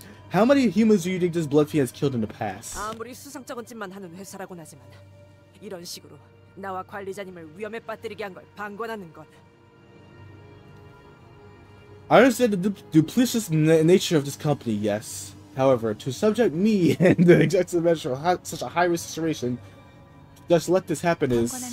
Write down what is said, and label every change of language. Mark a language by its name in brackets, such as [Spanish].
[English] How many humans do you think this Bloodfiend has killed in the past? [Korean] 아무리 수상쩍은짓만 하는 회사라고는 하지만 이런 식으로 나와 관리자님을 위험에 빠뜨리게 한 걸 방관하는 건. [English] I understand the duplicitous nature of this company, yes. However, to subject me and the executive manager to such a high-risk situation, just let this happen is...